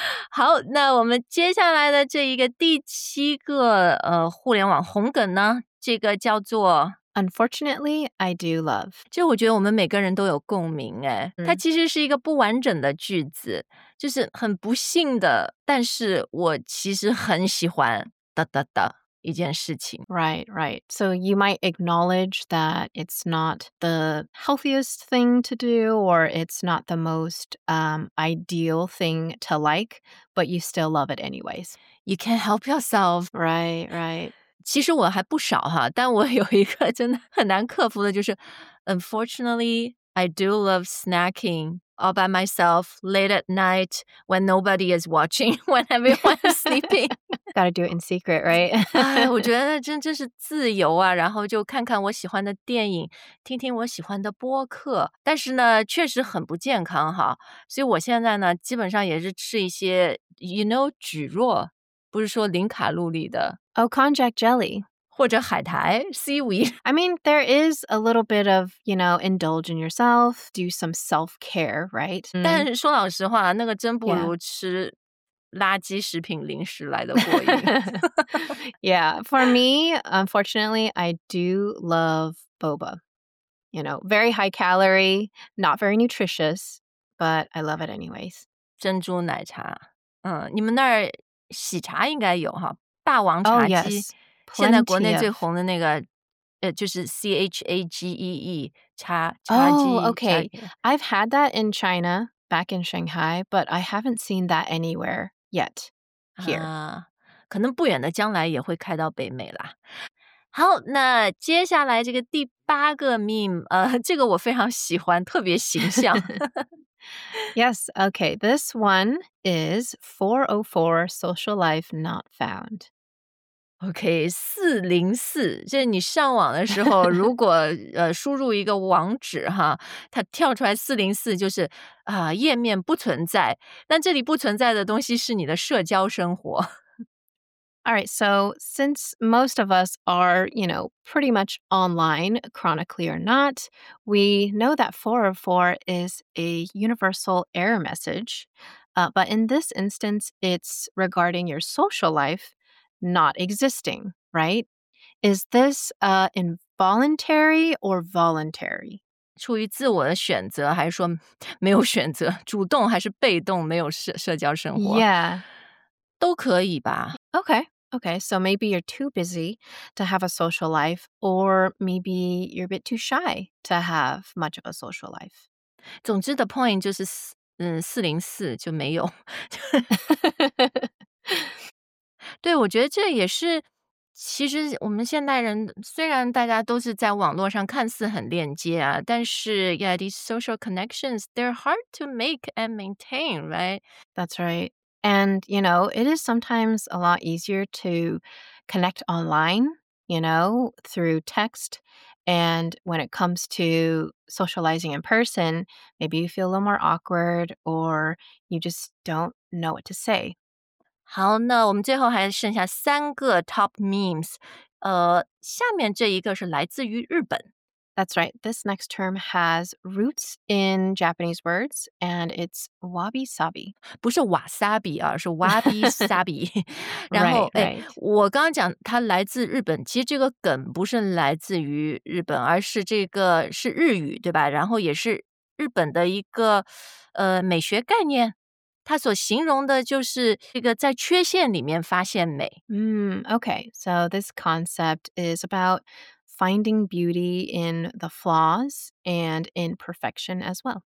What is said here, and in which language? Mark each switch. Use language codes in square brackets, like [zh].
[zh] 好那我们接下来的这一个第七个互联网红梗呢这个叫做 [en] Unfortunately, I do love [zh] 这我觉得我们每个人都有共鸣哎、它其实是一个不完整的句子就是很不幸的但是我其实很喜欢哒哒哒一件事情 [en] Right, right. So you might acknowledge that it's not the healthiest thing to do or it's not the most ideal thing to like, but you still love it anyways. You can't help yourself. Right, right. [zh] 其实我还不少哈但我有一个真的很难克服的就是 [en] Unfortunately, I do love snacking. All by myself, late at night, when nobody is watching, when everyone is sleeping. Gotta do it in secret, right? [zh] 我觉得真是自由啊，然后就看看我喜欢的电影，听听我喜欢的播客。但是呢，确实很不健康哈，所以我现在呢，基本上也是吃一些 ， [en] you know， [zh] 蒟蒻，不是说零卡路里的。 [en] Oh, konjac jelly. [zh] 或者海苔 seaweed. [en] I mean, there is a little bit of, you know, indulge in yourself, do some self-care, right? [zh] 但是说老实话，那个真不如吃垃圾食品零食来的过瘾。 [en] Yeah, for me, unfortunately, I do love boba. You know, very high calorie, not very nutritious, but I love it anyways. [zh] 珍珠奶茶。你们那儿喜茶应该有哈，霸王茶姬。 [en] Oh, yes. [zh] 现在国内最红的那个就是 CHAGEE, 茶茶姬。 [en] Oh, okay. I've had that in China, back in Shanghai, but I haven't seen that anywhere yet here. [zh] 可能不远的将来也会开到北美啦。好，那接下来这个第八个 meme, 这个我非常喜欢，特别形象。 [en] Yes, okay. This one is 404 social life not found. [zh] Okay, 404, 就是你上网的时候如果输入一个网址哈，它跳出来404就是页面不存在，但这里不存在的东西是你的社交生活。 [en] All right, so since most of us are, you know, pretty much online, chronically or not, we know that 404 is a universal error message. But in this instance, it's regarding your social life not existing, right? Is this involuntary or voluntary? [zh] 出于自我的选择还是说没有选择，主动还是被动没有社交生活？ [en] Yeah. [zh] 都可以吧。 [en] Okay. Okay, so maybe you're too busy to have a social life, or maybe you're a bit too shy to have much of a social life. [zh] 总之 [en] the point [zh] 就是404就没有。对，我觉得这也是，其实我们现代人虽然大家都是在网络上看似很链接啊，但是 [en] yeah, these social connections, they're hard to make and maintain, right? That's right. And, you know, it is sometimes a lot easier to connect online, you know, through text. And when it comes to socializing in person, maybe you feel a little more awkward or you just don't know what to say. [zh] 好，那我们最后还剩下三个 [en] top memes. [zh] 下面这一个是来自于日本。 [en] That's right. This next term has roots in Japanese words, and it's wabi-sabi. [zh] 不是瓦萨比啊，是 wabi-sabi. 然后 [en] right, right. [zh] 我刚刚讲它来自日本，其实这个梗不是来自于日本，而是这个是日语，对吧？然后也是日本的一个美学概念。它所形容的就是这个在缺陷里面发现美。 [en] Okay. So this concept is about... finding beauty in the flaws and in perfection as well.